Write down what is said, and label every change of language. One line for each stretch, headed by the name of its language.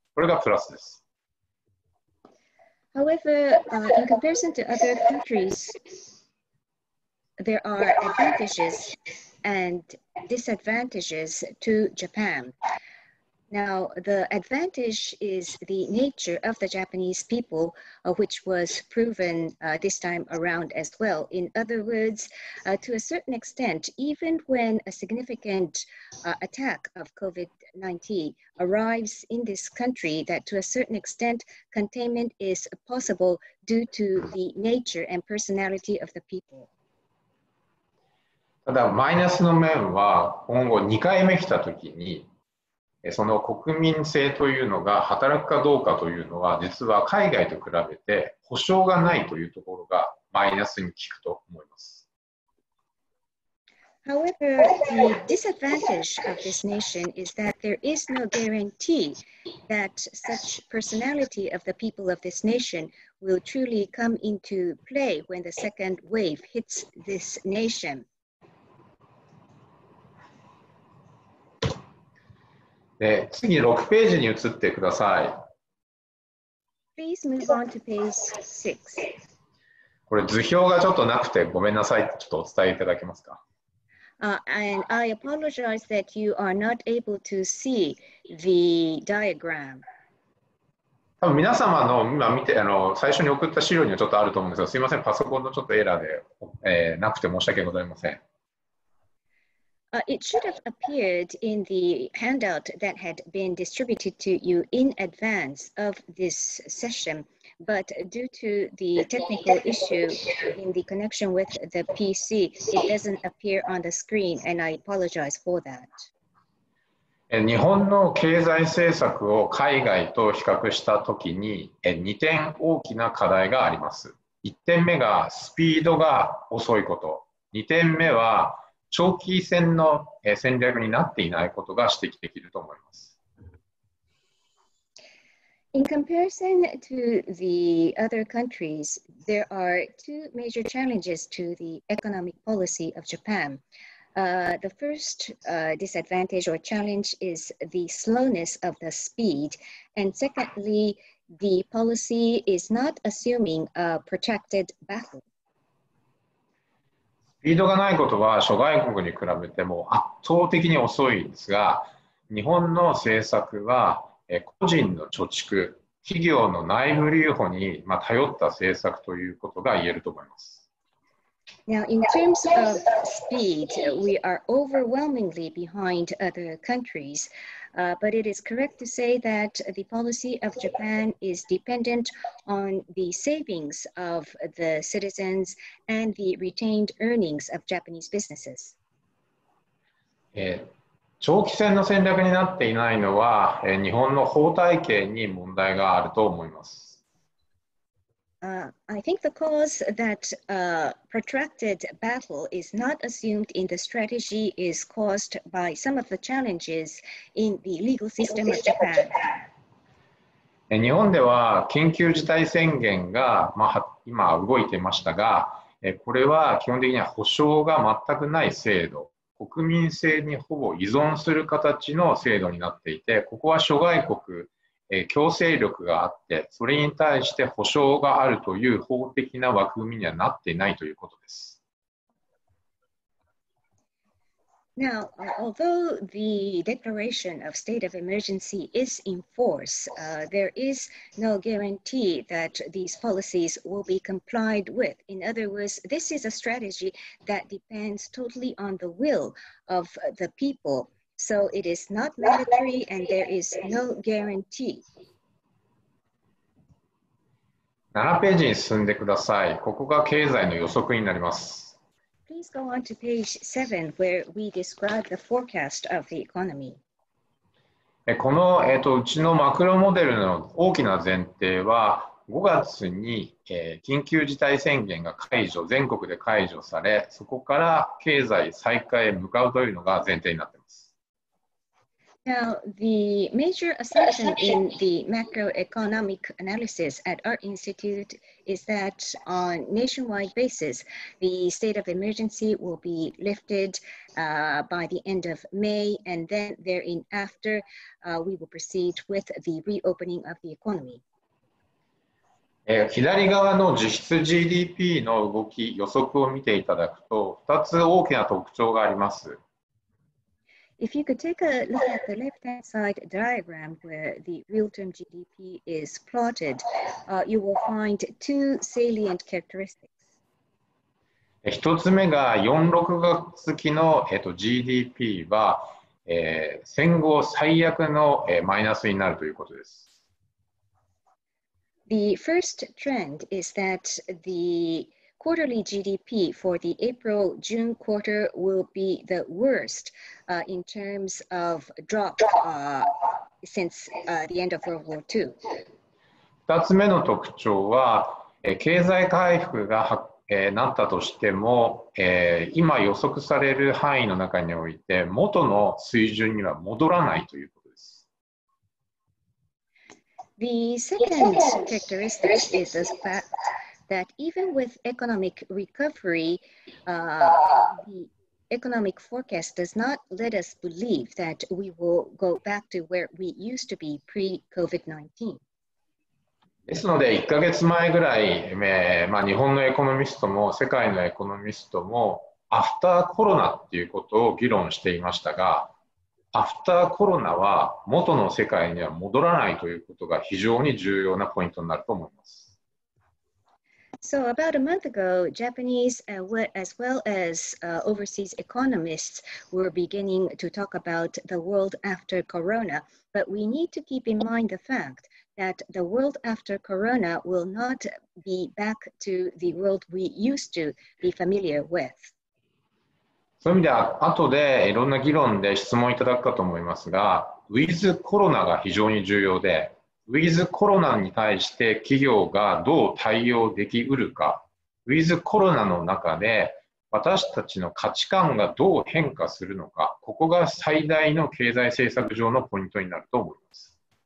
Japanese: これがプラスです。
English: However, in comparison to other countries, there are advantages and disadvantages to Japan. Now, the advantage is the nature of the Japanese people, which was proven this time around as well. In other words, to a certain extent, even when a significant attack of COVID-19 arrives in this country, that to a certain extent, containment is possible due to the nature and personality of the people.
Japanese: ただ、マイナスの面は、今後2回目来たときに、その国民性というのが働くかどうかというのは実は海外と比べて保証がないというところがマイナスに効くと思います。
English: However, the disadvantage of this nation is that there is no guarantee that such personality of the people of this nation will truly come into play when the second wave hits this nation.
Japanese: で次6ページに移ってください。
English: Please move on to page 6.
Japanese: これ図表がちょっとなくてごめんなさい。ちょっとお伝えいただけますか。
English: And I apologize that you are not able to see the diagram.
Japanese: 多分皆様の今見て最初に送った資料にはちょっとあると思うんですが、すいません、パソコンのちょっとエラーで、なくて申し訳ございません。
English: It should have appeared in the handout that had been distributed to you in advance of this session, but due to the technical issue in the connection with the PC, it doesn't appear on the screen, and I apologize for that.
Japanese: 日本の経済政策を海外と比較したときに、2点大きな課題があります。 1点目がスピードが遅いこと。2点目は長期戦の戦略になっていないことが指摘できると思います。
English: In comparison to the other countries, there are two major challenges to the economic policy of Japan. The first disadvantage or challenge is the slowness of the speed, and secondly, the policy is not assuming a protracted battle.
Japanese: スピードがないことは諸外国に比べても圧倒的に遅いんですが、日本の政策は個人の貯蓄、企業の内部留保に頼った政策ということが言えると思います。
English: Now, in terms of speed, we are overwhelmingly behind other countries. But it is correct to say that the policy of Japan is dependent on the savings of the citizens and the retained earnings of Japanese businesses.
Japanese: 長期戦の戦略になっていないのは、日本の法体系に問題があると思います。
English: I think the cause that protracted battle is not assumed in the strategy is caused by some of the challenges in the legal system of Japan.
Japanese: 日本では緊急事態宣言が、まあ、今動いてましたが、これは基本的には保障が全くない制度、国民性にほぼ依存する形の制度になっていて、ここは諸外国、強制力があって、それに対して保障があるという法的な枠組みにはなっていないということです。
English: Now, although the declaration of state of emergency is in force, there is no guarantee that these policies will be complied with. In other words, this is a strategy that depends totally on the will of the people. So it is not mandatory and there is no guarantee.
Japanese: 7ページに進んでください。ここが経済の予測になります。
English: Please go on to page 7 where we describe the forecast of the economy.
Japanese: この、うちのマクロモデルの大きな前提は5月に、緊急事態宣言が解除、全国で解除され、そこから経済再開へ向かうというのが前提になっています。
English: Now, the major assumption in the macroeconomic analysis at our institute is that on nationwide basis, the state of emergency will be lifted by the end of May, and then thereafter, we will proceed with the reopening of the economy.
Japanese: 左側の実質 GDP の動き、予測を見ていただくと、2つ大きな特徴があります。
English: If you could take a look at the left-hand side diagram where the real-term GDP is plotted, you will find two salient characteristics.
Japanese: 一つ目が4、6月期の、GDP は、戦後最悪の、マイナスになるということです。
English: The first trend is that the quarterly GDP for the April-June quarter will be the worst in terms of drop since the end of World War II.
Japanese: 2つ目の特徴は、経済回復が、なったとしても、今予測される範囲の中において元の水準には戻らないということ。
English: The second characteristic is the fact that even with economic recovery, the economic forecast does not let us believe that we will go back to where we used to be pre-COVID-19.
Japanese: ですので、1ヶ月前ぐらい、日本のエコノミストも世界のエコノミストも、アフターコロナっていうことを議論していましたが、アフターコロナは元の世界には戻らないということが非常に重要なポイントになると思います。
English: So about a month ago, Japanese as well as overseas economists were beginning to talk about the world after Corona. But we need to keep in mind the fact that the world after Corona will not be back to the world we used to be familiar with.
Japanese: そういう意味では、後でいろんな議論で質問いただくかと思いますが、ウィズコロナが非常に重要で、ウィズコロナに対して企業がどう対応できうるか、ウィズコロナの中で私たちの価値観がどう変化するのか、ここが最大の経済政策上のポイントになると思います。